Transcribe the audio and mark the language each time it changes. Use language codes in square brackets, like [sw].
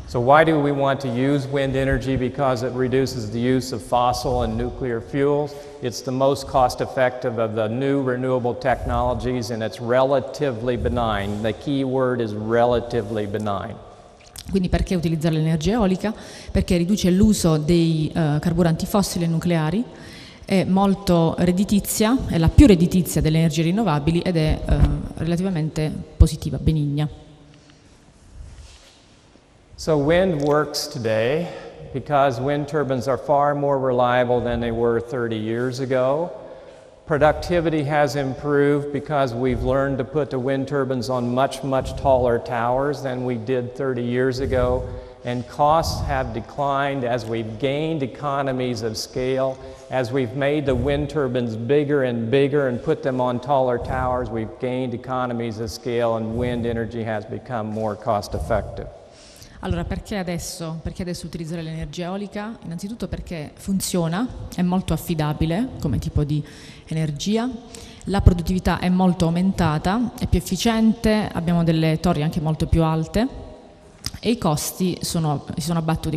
[en] So why do we want to use wind energy? Because it reduces the use of fossil and nuclear fuels. It's the most cost effective of the new renewable technologies and it's relatively benign. The key word is relatively benign. [it] Quindi perché utilizzare l'energia eolica? Perché riduce l'uso dei carburanti fossili e nucleari, è molto redditizia, è la più redditizia delle energie rinnovabili ed è relativamente positiva, benigna. [en] So wind works today because wind turbines are far more reliable than they were 30 years ago. Productivity has improved because we've learned to put the wind turbines on much, much taller towers than we did 30 years ago. And costs have declined as we've gained economies of scale. As we've made the wind turbines bigger and bigger and put them on taller towers, we've gained economies of scale and wind energy has become more cost effective. [it] Allora, perché adesso utilizzare l'energia eolica? Innanzitutto perché funziona, è molto affidabile come tipo di energia, la produttività è molto aumentata, è più efficiente, abbiamo delle torri anche molto più alte e i costi si sono abbattuti.